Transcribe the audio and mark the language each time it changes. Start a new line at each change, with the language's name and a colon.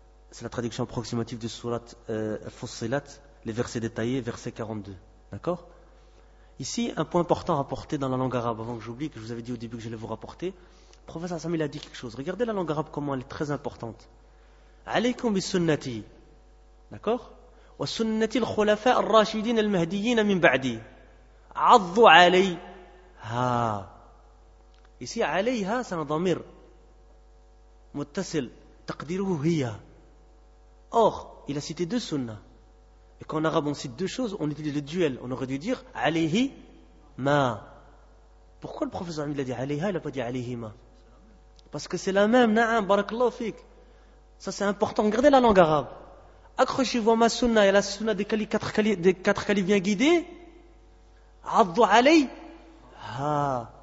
French: C'est la traduction approximative du surat Fussilat, les versets détaillés, verset 42. D'accord ? Ici, un point important à rapporter dans la langue arabe, avant que j'oublie, que je vous avais dit au début que j'allais vous rapporter. Le professeur Assam, il a dit quelque chose. Regardez la langue arabe, comment elle est très importante.
Arabic: Alaykum bi sunnati.
French: D'accord ?
Arabic: وسنتي الخلفاء الراشدين المهديين من بعدي عضوا عليها.
French: ici
Arabic: عليها
French: c'est un
Arabic: ضمير متصل تقديره هي.
French: Or il a cité deux sunnas, et qu'en arabe on cite deux choses, on utilise le duel. On aurait dû dire عليه ما. Pourquoi le professeur il a dit عليها, il n'a pas dit عليه ما? Parce que c'est la même.
Arabic: نعم بارك الله فيك.
French: Ça c'est important. Regardez la langue arabe. Accrochez-vous à ma sunna et à la sunna des quatre califs bien guidés. Addu alay. Ah.